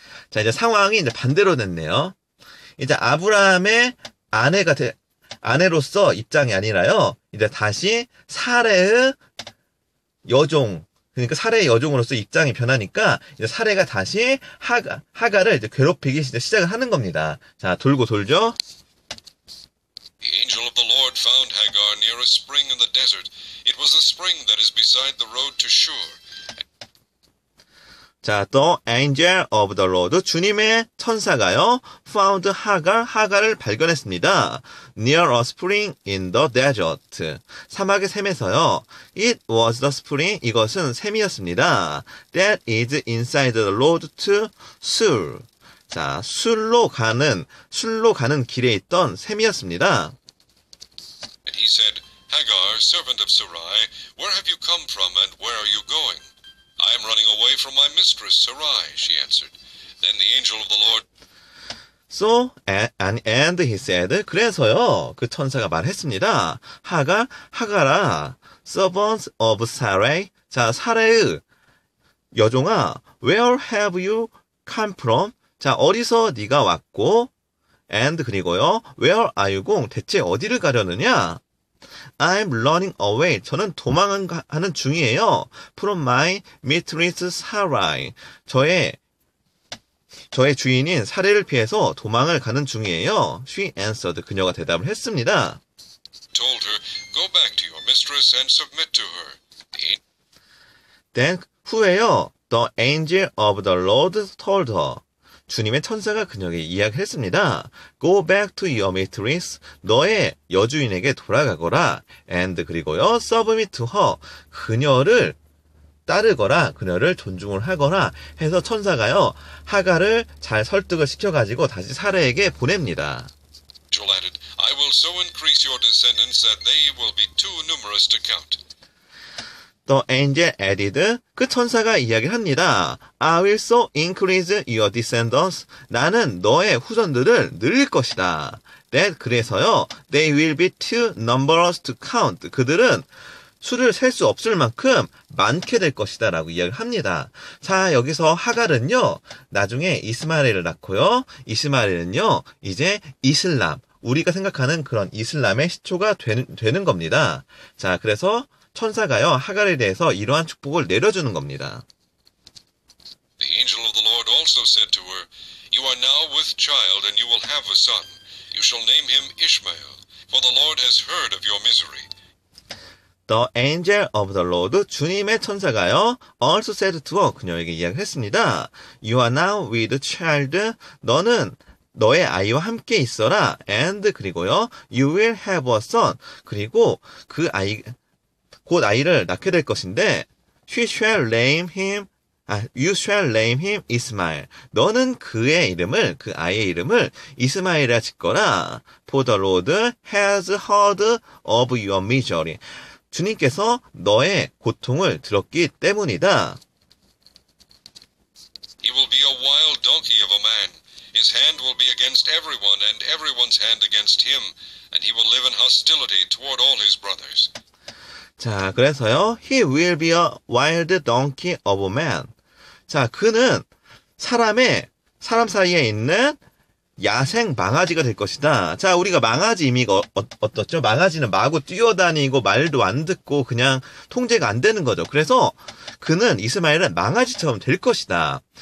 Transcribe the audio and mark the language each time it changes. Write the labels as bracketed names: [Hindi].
[Korean] 자, 이제 상황이 이제 반대로 됐네요. 이제 아브라함의 아내로서 입장이 아니라요. 이제 다시 사례의 여종으로서 입장이 변하니까 이제 사례가 다시 하갈을 이제 괴롭히기 시작을 하는 겁니다. 자, 돌고 돌죠. [English] The angel of the Lord found Hagar near a spring in the desert. It was a spring that is beside the road to Shur. 자, the angel of the Lord, [Korean] 주님의 천사가요, [English] found Hagar, [Korean] 하갈을 발견했습니다. [English] Near a spring in the desert. [Korean] 사막의 샘에서요, [English] it was the spring, [Korean] 이것은 샘이었습니다. [English] That is inside the road to Sur. [Korean] 자, 술로 가는 길에 있던 샘이었습니다. [English] And he said, Hagar, servant of Sarai, where have you come from and where are you going? I am running away from my mistress Sarai, she answered. Then the angel of the Lord. So and he said. [Korean] 그래서요, 그 천사가 말했습니다. [English] 하갈아, servant of Sarai. 자, [Korean] 사라의 여종아, [English] where have you come from? [Korean] 자, 어디서 네가 왔고, and 그리고요, [English] where are you going? [Korean] 대체 어디를 가려느냐? [English] I'm running away. [Korean] 저는 도망하는 중이에요. [English] From my mistress Sarai. [Korean] 저의 주인인 사례를 피해서 도망을 가는 중이에요. [English] She answered. [Korean] 그녀가 대답을 했습니다. [English] Told her, go back to your mistress and submit to her. Then 후에요. The angel of the Lord told her. [Korean] 주님의 천사가 그녀에게 이야기 했습니다. [English] Go back to your mistress. [Korean] 너의 여주인에게 돌아가거라. [English] And 그리고요, submit to her. [Korean] 그녀를 따르거라, 그녀를 존중을 하거라 해서 천사가요, 하가를 잘 설득을 시켜가지고 다시 사라에게 보냅니다. [English] Joel added, I will so increase your descendants that they will be too numerous to count. The angel added, [Korean] 그 천사가 이야기를 합니다. [English] I will so increase your descendants. [Korean] 나는 너의 후손들을 늘릴 것이다. [English] That, 그래서요, they will be too numerous to count. [Korean] 그들은 수를 셀 수 없을 만큼 많게 될 것이다 라고 이야기를 합니다. 자, 여기서 하갈은요, 나중에 이스마엘을 낳고요. 이스마엘은요, 이제 이슬람, 우리가 생각하는 그런 이슬람의 시초가 되는 겁니다. 자, 그래서 천사가요, 하갈에 대해서 이러한 축복을 내려주는 겁니다. [English] The angel of the Lord also said to her, You are now with child and you will have a son. You shall name him Ishmael, for the Lord has heard of your misery. The angel of the Lord, [Korean] 주님의 천사가요, [English] also said to her, [Korean] 그녀에게 이야기 했습니다. [English] You are now with child, [Korean] 너는 너의 아이와 함께 있어라, [English] and 그리고요, you will have a son, [Korean] 그리고 그 아이, 곧 아이를 낳게 될 것인데, [English] she shall name him, you shall name him Ishmael. [Korean] 너는 그의 이름을, 그 아이의 이름을 이스마엘이라 짓거라, [English] for the Lord has heard of your misery. [Korean] 주님께서 너의 고통을 들었기 때문이다. [English] He will be a wild donkey of a man. His hand will be against everyone and everyone's hand against him. And he will live in hostility toward all his brothers. 자, 그래서요. He will be a wild donkey of a man. [Korean] 자, 그는 사람 사이에 있는 야생 망아지가 될 것이다. 자, 우리가 망아지 이미가 어떻죠? 망아지는 마구 뛰어다니고 말도 안 듣고 그냥 통제가 안 되는 거죠. 그래서 그는 이스마엘은 망아지처럼 될 것이다.